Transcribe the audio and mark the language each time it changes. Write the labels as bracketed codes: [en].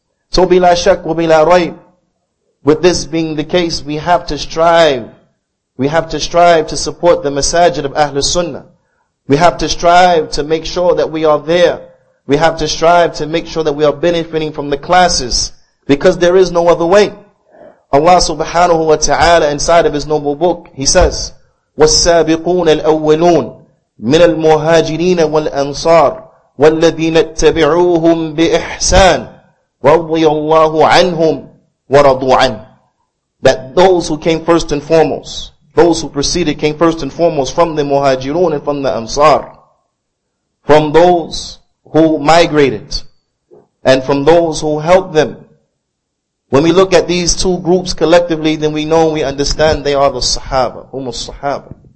[en] So [ar] bila shak wa bila raib, [en] with this being the case, we have to strive. We have to strive to support the masajid of Ahlul Sunnah. We have to strive to make sure that we are there. We have to strive to make sure that we are benefiting from the classes, because there is no other way. [ar] Allah subhanahu wa ta'ala, [en] inside of His noble book, He says, [ar] وَالسَّابِقُونَ الْأَوَّلُونَ مِنَ الْمُهَاجِرِينَ وَالْأَنصَارِ وَالَّذِينَ اتَّبِعُوهُمْ بِإِحْسَانِ رَضِيَ اللَّهُ عَنْهُمْ وَرَضُوا عَنْهُ. [en] That those who came first and foremost, those who preceded came first and foremost from the Muhajirun and from the Ansar, from those who migrated, and from those who helped them. When we look at these two groups collectively, then we know, we understand they are the Sahaba, hum as-Sahaba.